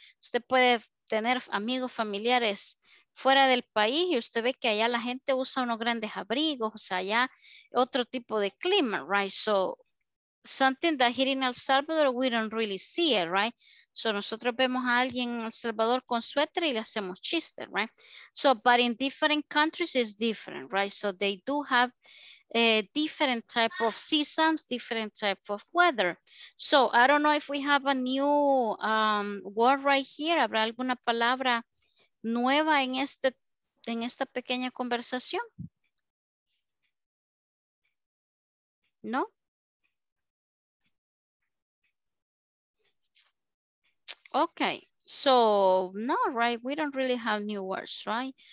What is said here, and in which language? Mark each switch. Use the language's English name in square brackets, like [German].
[Spanish] Usted puede tener amigos, familiares fuera del país y usted ve que allá la gente usa unos grandes abrigos, o sea, allá otro tipo de clima, right? [English] So something that here in El Salvador, we don't really see it, right? [Spanish] So nosotros vemos a alguien en El Salvador con suéter y le hacemos chiste, right? [English] So, but in different countries, it's different, right? So they do have different type of seasons, different type of weather. So I don't know if we have a new word right here. [Spanish] ¿Habrá alguna palabra nueva en este, en esta pequeña conversación? No. [English] Okay, so no, right? We don't really have new words, right?